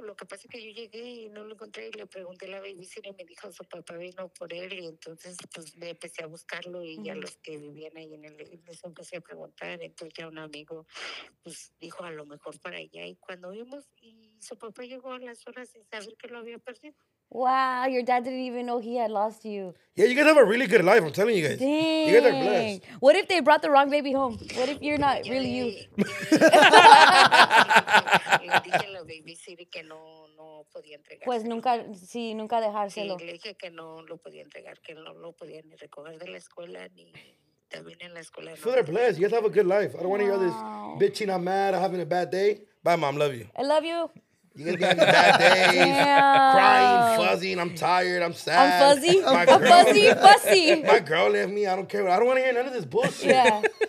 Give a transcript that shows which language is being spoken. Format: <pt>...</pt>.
<es>Lo que pasa es que yo llegué y no lo encontré y le pregunté a la babysitter y me dijo su papá vino por él y entonces pues me empecé a buscarlo y ya los que vivían ahí en el edificio empecé a preguntar. Entonces ya un amigo pues dijo a lo mejor para allá y cuando vimos y su papá llegó a las horas sin saber que lo había perdido.</es> <en>Wow, your dad didn't even know he had lost you. Yeah, you guys have a really good life, I'm telling you guys. Dang. You guys are blessed. What if they brought the wrong baby home? What if you're not really you?</en> <es>Pues nunca, sí, nunca dejárselo. Le dije que no lo podía entregar, que no lo podía ni recoger de la escuela, ni...</es> <en>So they're blessed. You guys have a good life. I don't want to hear this bitching, I'm mad, I'm having a bad day. Bye, Mom. Love you. I love you. You guys be having bad days. Crying, fuzzing. I'm tired. I'm sad. I'm fuzzy. I'm fuzzy. My girl left me. I don't care. I don't want to hear none of this bullshit. Yeah.</en>